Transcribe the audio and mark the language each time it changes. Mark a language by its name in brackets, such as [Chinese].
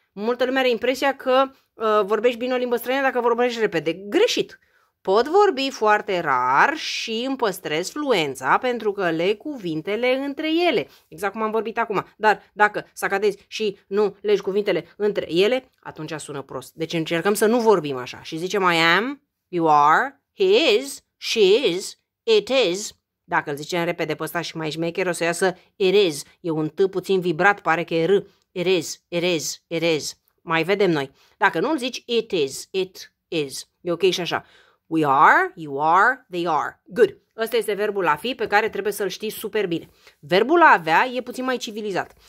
[Romanian] Multă lume are impresia că vorbești bine o limbă străină dacă vorbești repede. Greșit! Pot vorbi foarte rar și îmi păstrez fluența pentru că le cuvintele între ele. Exact cum am vorbit acum. Dar dacă sacadezi și nu legi cuvintele între ele, atunci sună prost. Deci încercăm să nu vorbim așa. Și zicem [English] I am, you are, he is, she is, it is. [Romanian] Dacă îl zicem repede pe ăsta și mai șmecher, o să iasă [English] it is. [Romanian] E un t puțin vibrat, pare că e r. [English] It is, it is, it is. [Romanian] Mai vedem noi. Dacă nu îl zici, [English] it is. [Romanian] E ok și așa. [English] We are, you are, they are. Good. [Romanian] Ăsta este verbul a fi pe care trebuie să-l știi super bine. Verbul a avea e puțin mai civilizat.